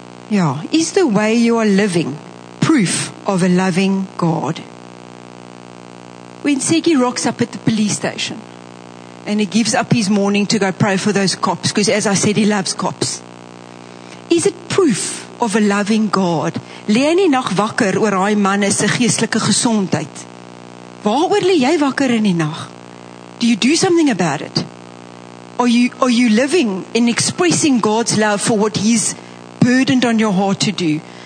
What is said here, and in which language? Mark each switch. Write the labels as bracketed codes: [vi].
[en] Yeah. Is the way you are living proof of a loving God? When Seggy rocks up at the police station and he gives up his morning to go pray for those cops, because as I said, he loves cops. Is it proof of a loving God? [af] Leen die nag wakker oor daai man se geestelike gesondheid. Waaroor lê jy wakker in die nag? [en] Do you do something about it? Are you living in expressing God's love for what he's burdened on your heart to do?